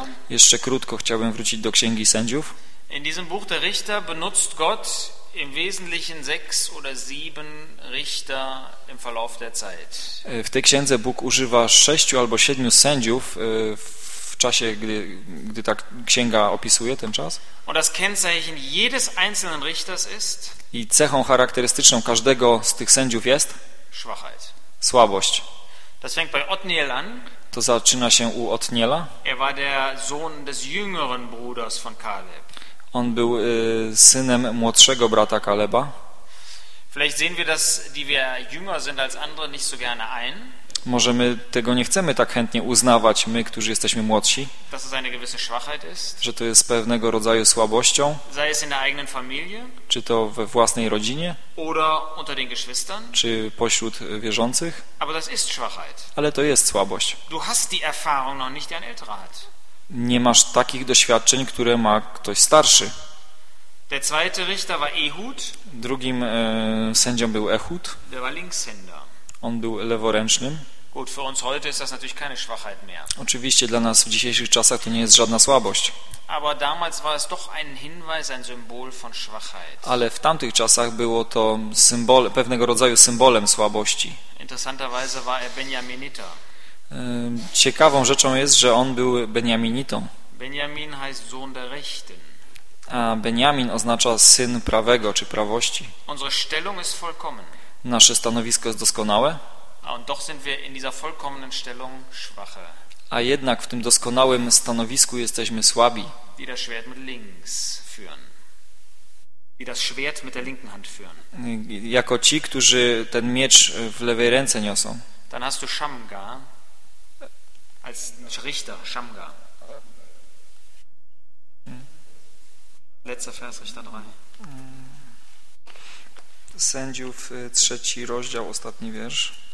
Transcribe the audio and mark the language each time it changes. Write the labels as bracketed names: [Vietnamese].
[Polish] Jeszcze krótko chciałbym wrócić do Księgi Sędziów. [German] In diesem Buch der Richter benutzt Gott im Wesentlichen sechs oder sieben Richter im Verlauf der Zeit. [Polish] W tej księdze Bóg używa sześciu albo siedmiu sędziów w czasie, gdy ta księga opisuje ten czas. [German] Und das Kennzeichen jedes einzelnen Richters ist. [Polish] I cechą charakterystyczną każdego z tych sędziów jest [German] Schwachheit. [Polish] Słabość. [German] Das fängt bei Otniel an. [Polish] To zaczyna się u Otniela. [German] Er war der Sohn des jüngeren Bruders von Kaleb. [Polish] On był synem młodszego brata Kaleba. [German] Vielleicht sehen wir das, die wir jünger sind als andere, nicht so gerne ein. [Polish] Może my tego nie chcemy tak chętnie uznawać, my, którzy jesteśmy młodsi. [German] Dass es eine gewisse Schwachheit ist. [Polish] Że to jest pewnego rodzaju słabością. [German] Sei es in der eigenen Familie. [Polish] Czy to we własnej rodzinie. [German] Oder unter den Geschwistern. [Polish] Czy pośród wierzących. [German] Aber das ist Schwachheit. [Polish] Ale to jest słabość. [German] Du hast die Erfahrung noch nicht, die ein älterer hat. [Polish] Nie masz takich doświadczeń, które ma ktoś starszy. [German] Der zweite Richter war Ehud. [Polish] Drugim sędzią był Ehud. [German] Der war Linkshänder. [Polish] On był leworęcznym. [German] Gut, für uns heute ist das natürlich keine Schwachheit mehr. [Polish] Oczywiście dla nas w dzisiejszych czasach to nie jest żadna słabość. [German] Aber damals war es doch ein Hinweis, ein Symbol von Schwachheit. [Polish] Ale w tamtych czasach było to symbol, pewnego rodzaju symbolem słabości. [German] Interessanterweise war er Benjaminiter. [Polish] Ciekawą rzeczą jest, że on był Benjaminitą. [German] Benjamin heißt Sohn der Rechten. [Polish] A Benjamin oznacza syn prawego czy prawości. [German] Unsere Stellung ist vollkommen. [Polish] Nasze stanowisko jest doskonałe. [German] Und doch sind wir in dieser vollkommenen Stellung schwache. [Polish] A jednak w tym doskonałym stanowisku jesteśmy słabi. [German] Die das Schwert mit links führen. Die das Schwert mit der linken Hand führen. [Polish] Jako ci, którzy ten miecz w lewej ręce niosą. [German] Dann hast du Shamgar als Richter, Shamgar. Letzter Vers, Richter 3. [Polish] Sędziów, trzeci rozdział, ostatni wiersz.